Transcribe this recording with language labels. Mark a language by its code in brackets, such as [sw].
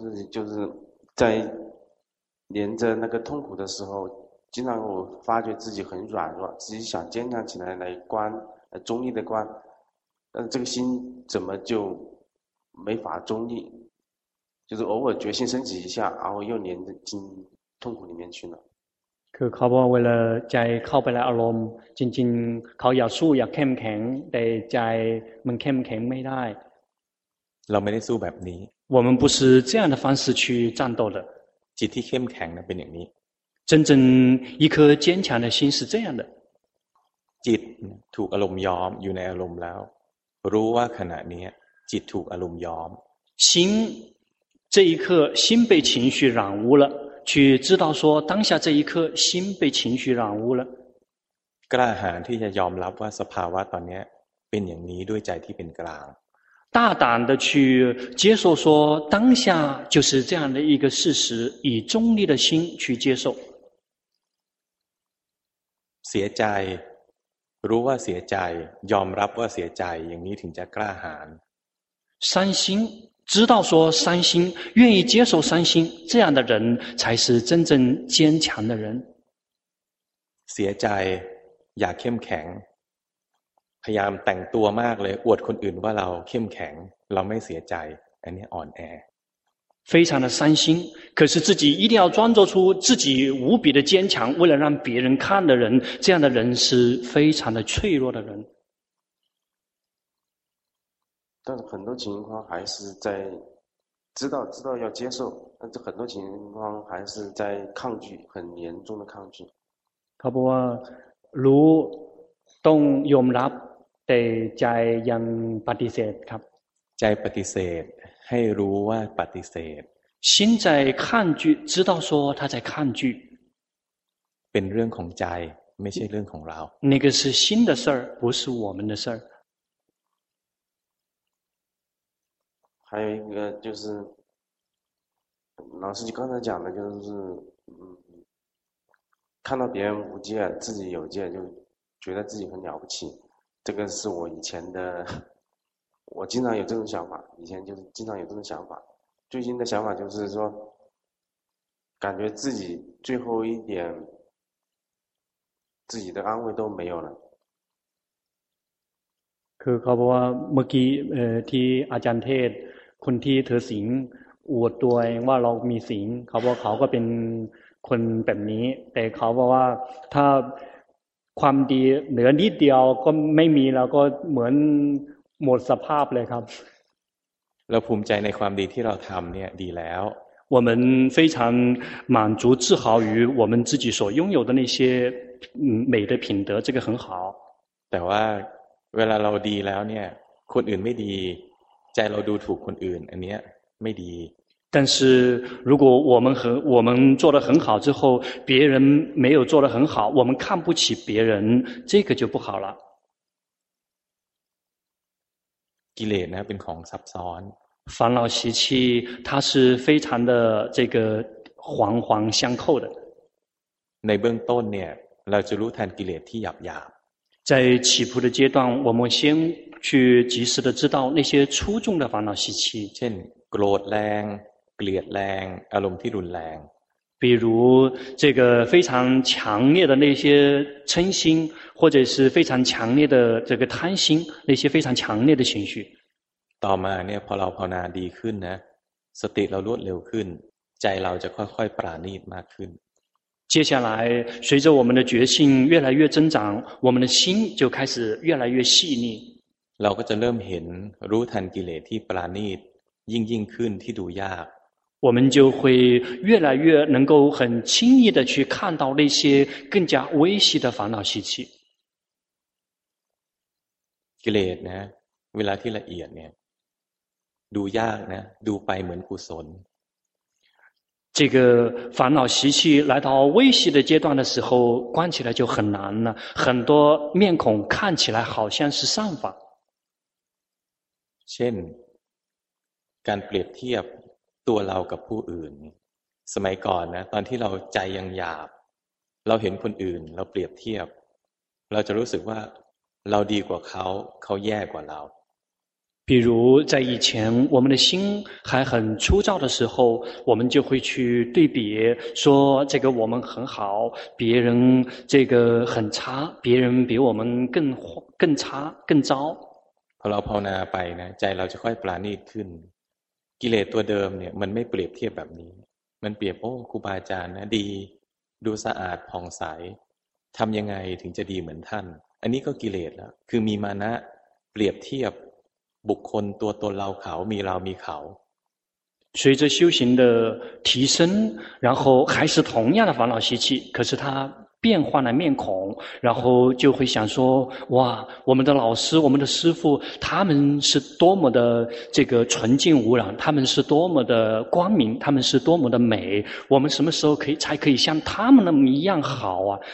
[zh] 就是在连着那个痛苦的时候经常我发觉自己很软弱自己想坚强起来来观中立的观但这个心怎么就没法中立就是偶尔决心升起一下然后又连着进痛苦里面去了 [th] คือเขาบอกว่าเวลาใจเข้าไปในอารมณ์จริงๆเขาอยากสู้อยากเข้มแข็งแต่ใจมันเข้มแข็งไม่ได้ เราไม่ได้สู้แบบนี้ [zh] 我们不是这样的方式去战斗的 [th] จิตที่เข้มแข็งนะเป็นอย่างนี้ [zh] 真正一颗坚强的心是这样的 [th] จิตถูกอารมณ์ยอมอยู่ในอารมณ์แล้วรู้ว่าขณะนี้จิตถูกอารมณ์ยอม [zh] 心这一刻心被情绪染污了去知道说当下这一刻心被情绪染污了 [th] กล้าหาญที่จะยอมรับว่าสภาวะตอนนี้เป็นอย่างนี้ด้วยใจที่เป็นกลาง [zh] 大胆的去接受说当下就是这样的一个事实以中立的心去接受 [th] เสียใจรู้ว่าเสียใจยอมรับว่าเสียใจอย่างนี้ถึงจะกล้าหาญ [zh] 伤心知道说伤心愿意接受伤心这样的人才是真正坚强的人 [th] เสียใจอยากเข้มแข็งพยายามแต่งตัวมากเลยอวดคนอื่นว่าเราเข้มแข็งเราไม่เสียใจอันนี้อ่อนแ [zh] อ非常的伤心可是自己一定要装作出自己无比的坚强为了让别人看的人这样的人是非常的脆弱的人但是很多情况还是在知道要接受但是很多情况还是在抗拒很严重的抗拒他不说如动用拉得在让 [th] ปฏิเสธครับ [zh] 在 [th] ปฏิเสธให้รู้ว่าปฏิเสธ [zh] 心在抗拒知道说他在抗拒 [th] เป็นเรื่องของใจไม่ใช่เรื่องของเรา [zh] 那个是心的事儿不是我们的事儿还有一个就是老师刚才讲的就是看到别人无戒自己有戒就觉得自己很了不起这个是我以前的我经常有这种想法以前就是经常有这种想法最近的想法就是说感觉自己最后一点自己的安慰都没有了 [th] คือเขาบอกว่าเมื่อกี้ที่อาจารย์เทศคนที่ถือศีลอวดตัวเองว่าเรามีศีลเขาบอกเขาก็เป็นคนแบบนี้แต่เขาบอกว่าถ้าความดีเหลือนิดเดียวก็ไม่มีแล้วก็เหมือนหมดสภาพเลยครับ เราภูมิใจในความดีที่เราทำเนี่ยดีแล้ว [zh] 我们非常满足自豪于我们自己所拥有的那些美的品德这个很好 [th] แต่ว่าเวลาเราดีแล้วเนี่ยคนอื่นไม่ดีใจเราดูถูกคนอื่นอันนี้ไม่ดี [zh] 但是如果我们做得很好之后别人没有做得很好我们看不起别人这个就不好了 [th] กิเลสนะเป็นของซับซ้อน [zh] 烦恼习气它是非常的这个环环相扣的 [th] ในเบื้องต้นเนี่ยเราจะรู้ทันกิเลสที่หยาบหยาบ [zh] 在起步的阶段我们先去及时的知道那些粗重的烦恼习气 [th] เช่นโกรธแรงเกลียดแรงอารมณ์ที่รุนแรง [zh] 比如这个非常强烈的那些嗔心或者是非常强烈的这个贪心那些非常强烈的情绪 [th] ต่อมาเนี่ยพอเราภาวนาดีขึ้นนะสติเรารวดเร็วขึ้นใจเราจะค่อยๆปราณีตมากขึ้น [zh] 接下来随着我们的觉性越来越增长我们的心就开始越来越细腻 [th] เราก็จะเริ่มเห็นรู้ทันกิเลสที่ปราณีตยิ่งขึ้นที่ดูยาก [zh] 我们就会越来越能够很轻易的去看到那些更加微细的烦恼习气 [th] กิเลสนะเวลาที่ละเอียดเนี่ยดูยากนะดูไปเหมือนกุศล [zh] 这个烦恼习气来到微细的阶段的时候观起来就很难了很多面孔看起来好像是善法 [th] เช่นการเปรียบเทียบตัวเรากับผู้อื่นสมัยก่อนนะตอนที่เราใจยังหยาบ เราเห็นคนอื่นเราเปรียบเทียบเราจะรู้สึกว่าเราดีกว่าเขาเขาแย่กว่าเรา [zh] 比如在以前我们的心还很粗糙的时候我们就会去对比说这个我们很好别人这个很差别人比我们更差更糟 [th] พอเราภาวนาไปนะใจเราจะค่อยปราณีตขึ้นกิเลสตัวเดิมเนี่ยมันไม่เปรียบเทียบแบบนี้มันเปรียบโอ้ครูบาอาจารย์นะดีดูสะอาดผ่องใสทำยังไงถึงจะดีเหมือนท่านอันนี้ก็กิเลสแล้วคือมีมานะเปรียบเทียบบุคคลตัวตนเราเขามีเรามีเขา [zh] 随着修行的提升然后还是同样的烦恼习气可是他变换了面孔然后就会想说哇我们的老师我们的师父他们是多么的这个纯净无染他们是多么的光明他们是多么的美我们什么时候才可以像他们那么一样好啊